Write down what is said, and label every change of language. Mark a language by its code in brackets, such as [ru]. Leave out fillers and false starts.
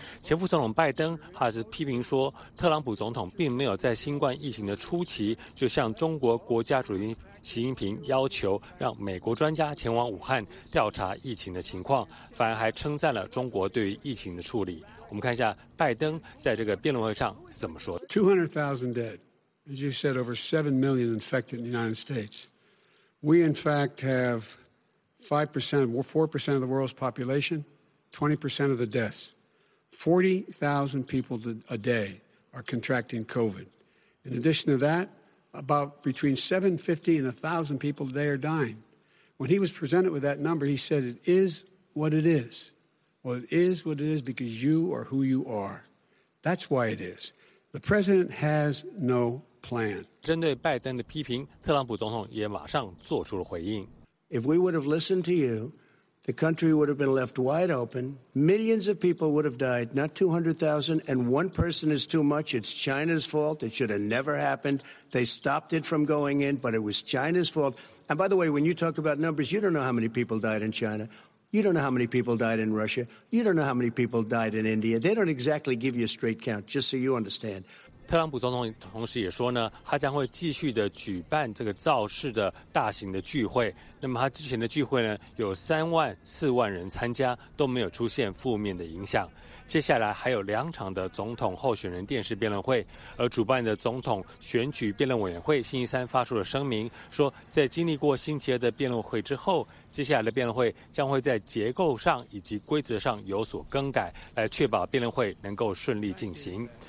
[zh] 前副总统拜登还是批评说，特朗普总统并没有在新冠疫情的初期就向中国国家主席习近平要求让美国专家前往武汉调查疫情的情况，反而还称赞了中国对于疫情的处理。我们看一下拜登在这个辩论会上怎么说。 [en] 200,000 dead. As you said, over 7 million infected in the United States. We in fact have 5%, 4% of the world's population, 20% of the deaths. 40,000 people a day are contracting COVID. In addition to that,About between 750 and 1,000 people today are dying. When he was presented with that number, he said, it is what it is. Well, it is what it is because you are who you are. That's why it is. The president has no plan. [zh] 针对拜登的批评，特朗普总统也马上做出了回应。 [en] If we would have listened to you, the country would have been left wide open. Millions of people would have died, not 200,000. And one person is too much. It's China's fault. It should have never happened. They stopped it from going in, but it was China's fault. And by the way, when you talk about numbers, you don't know how many people died in China. You don't know how many people died in Russia. You don't know how many people died in India. They don't exactly give you a straight count, just so you understand. [zh] 特朗普总统同时也说呢，他将会继续的举办这个造势的大型的聚会。那么他之前的聚会呢，有3万-4万人参加，都没有出现负面的影响。接下来还有2场的总统候选人电视辩论会，而主办的总统选举辩论委员会星期三发出了声明，说在经历过星期二的辩论会之后，接下来的辩论会将会在结构上以及规则上有所更改，来确保辩论会能够顺利进行。